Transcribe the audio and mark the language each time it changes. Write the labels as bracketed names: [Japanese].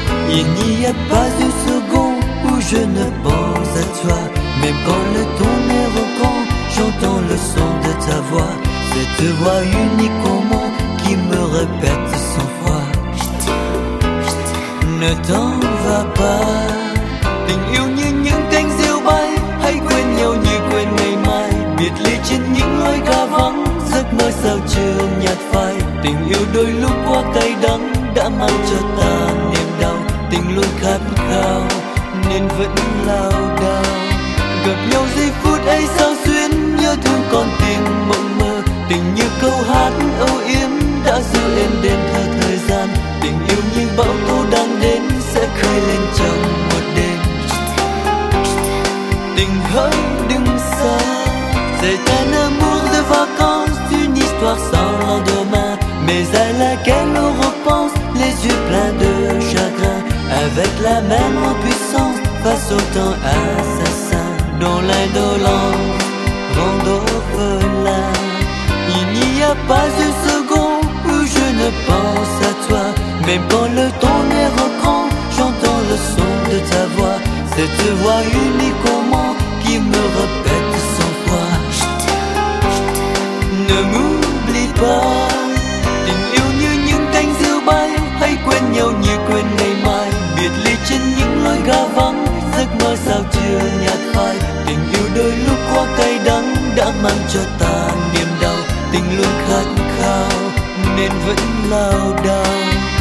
[French] Il n'y a pas une seconde où je ne pense à toi. Même quand le ton est rocant, j'entends le son de ta voix. Cette voix unique au monde qui me répète cent fois. Ne t'en va pas. [Vietnamese] Tình yêu như những cánh diều bay, hãy quên nhau như quên ngày mai. Biệt ly trên những lối ga vắng, giấc mơ sao chưa nhạt phai. Tình yêu đôi lúc quá cay đắng đã mang cho ta niềm đau. Tình luôn khát khao nên vẫn lao đao. Gặp nhau giây phút ấy sao xuyến, nhớ thương con tim mộng mơ. Tình như câu hát âu yếm đã ru em đêm theo thời gian. Tình yêu như bão tố đang đến sẽ khơi lên trong một đêm. Tình hỡi đừng xa. [French] C'est un amour de vacances, une histoire sans lendemain, mais à laquelle on repense les yeux pleins de chagrin, avec la même impuissance face au temps assassin dont l'indolence rend orphelin. Il n'y a pas une seconde où je ne pense à toi. Même quand le ton est recrant, j'entends le son de ta voix. Cette voix unique au monde qui me répète cent fois. Ne m'oublie pas. [Vietnamese] Tình yêu như những cánh diều bay, hãy quên nhau như quên ngày mai. Biệt ly trên những lối ga vắng, giấc mơ sao chưa nhạt phai. Tình yêu đôi lúc quá cay đắng đã mang cho ta niềm đau. Tình luôn khát khao nên vẫn lao đao.